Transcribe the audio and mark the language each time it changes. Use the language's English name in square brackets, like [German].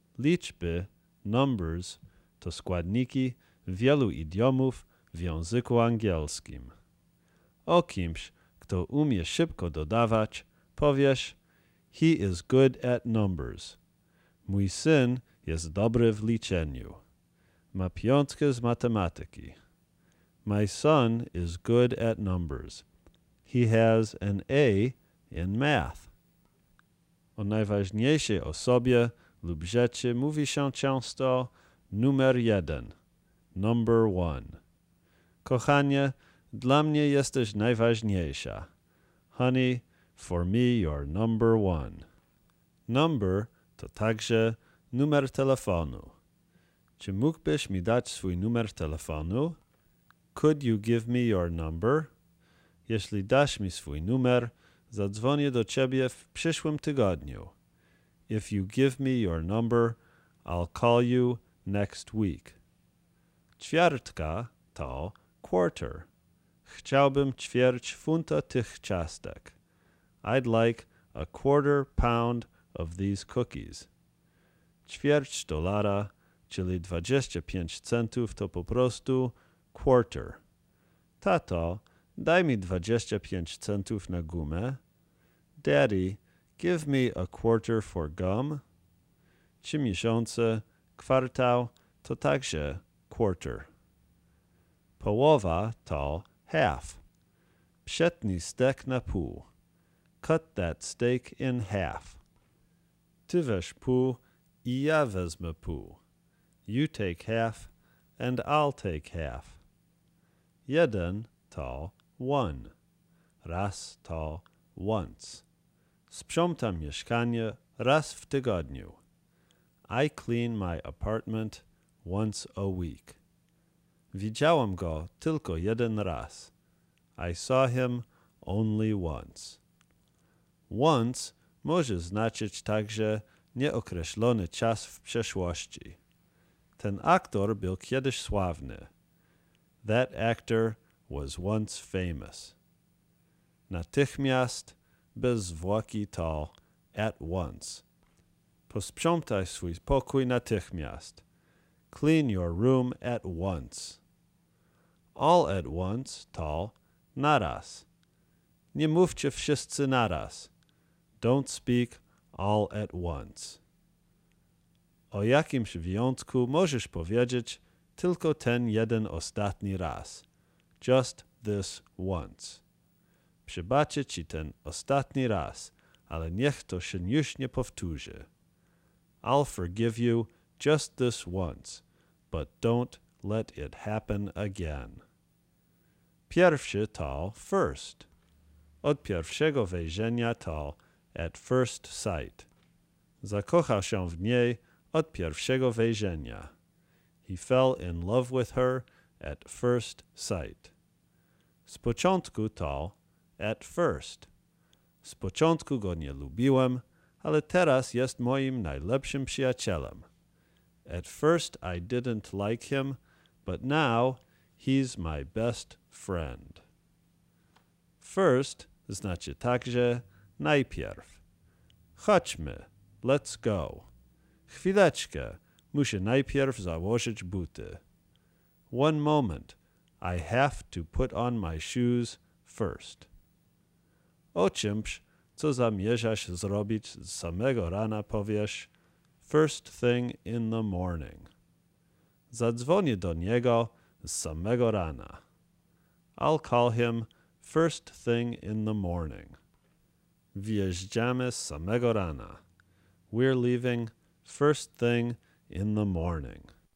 [Polish] liczby, numbers, to składniki wielu idiomów w języku angielskim. O kimś, kto umie szybko dodawać, powiesz: [English] He is good at numbers. [Polish] Mój syn jest dobry w liczeniu. Ma piątkę z matematyki. [English] My son is good at numbers. He has an A in math. [Polish] O najważniejszej osobie lub rzeczy mówi się często numer jeden, number one. Kochanie, dla mnie jesteś najważniejsza. [English] Honey, for me you're number one. [Polish] Number to także numer telefonu. Czy mógłbyś mi dać swój numer telefonu? [English] Could you give me your number? [Polish] Jeśli dasz mi swój numer, zadzwonię do ciebie w przyszłym tygodniu. [English] If you give me your number, I'll call you next week. [Polish] Ćwiartka to quarter. Chciałbym ćwierć funta tych ciastek. [English] I'd like a quarter pound of these cookies. [Polish] Ćwierć dolara, czyli 25 centów, to po prostu quarter. Tato, daj mi 25 centów na gumę. [English] Daddy, give me a quarter for gum. [Polish] 3 miesiące, kwartał, to także quarter. Połowa to half. Przetnij stek na pół. [English] Cut that steak in half. [Polish] Ty weź pół i ja wezmę pół. [English] You take half and I'll take half. [Polish] Jeden to one. Raz to once. Sprzątam mieszkanie raz w tygodniu. [English] I clean my apartment once a week. [Polish] Widziałam go tylko jeden raz. [English] I saw him only once. [Polish] Once może znaczyć także nieokreślony czas w przeszłości. Ten aktor był kiedyś sławny. [English] That actor was once famous. [Polish] Natychmiast, bez zwłoki to at once. Posprzątaj swój pokój natychmiast. [English] Clean your room at once. [Polish] All at once to naraz. Nie mówcie wszyscy naraz. [English] Don't speak all at once. [Polish] O jakimś wyjątku możesz powiedzieć tylko ten jeden ostatni raz. [English] Just this once. [Polish] Przebaczę ci ten ostatni raz, ale niech to się już nie powtórzy. [English] I'll forgive you just this once, but don't let it happen again. [Polish] Pierwszy to first. Od pierwszego wejrzenia to at first sight. Zakochał się w niej od pierwszego wejrzenia. [English] He fell in love with her at first sight. [Polish] Z początku to at first. Z początku go nie lubiłem, ale teraz jest moim najlepszym przyjacielem. [English] At first I didn't like him, but now he's my best friend. [Polish] First znaczy także najpierw. Chodźmy, [English] let's go. [Polish] Chwileczkę, muszę najpierw założyć buty. [English] One moment, I have to put on my shoes first. [Polish] O czymś, co zamierzasz zrobić z samego rana, powiesz [English] first thing in the morning. [Polish] Zadzwonię do niego z samego rana. [English] I'll call him first thing in the morning. [Polish] Wyjeżdżamy z samego rana. [English] We're leaving first thing in the morning.